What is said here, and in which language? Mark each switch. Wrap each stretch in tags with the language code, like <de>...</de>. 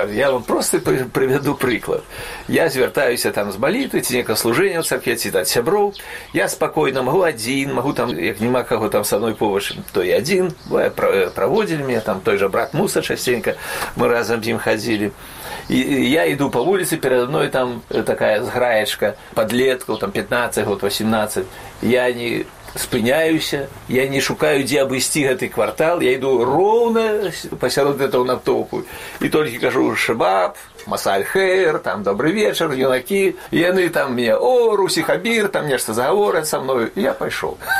<be>Я вам просто прывяду прыклад. Я звяртаюся там з балітвы, ці некае служэнне ў царкве, ці даць сяброў. Я спакойна магу адзін, магу там, як няма каго там са мной побач, то і адзін. Праводзілі мне там той жа брат Муса частенька, мы разам з ім хадзілі.</be> <ru>И я иду по улице, передо мной там такая сграечка, подлетка, там 15 год, 18. Я не</ru> <be>спыняюся, я не шукаю, дзе абысці гэты квартал, я іду роўна пасярод гэтага натоўпу і толькі кажу:</be> <ar>«Шабаб, масаль хэйр,</ar> <be>там добры вечар, юнакі». Яны там мне: «О, русіхабір, там нешта загаворыць са мною». Я пайшоў.</be>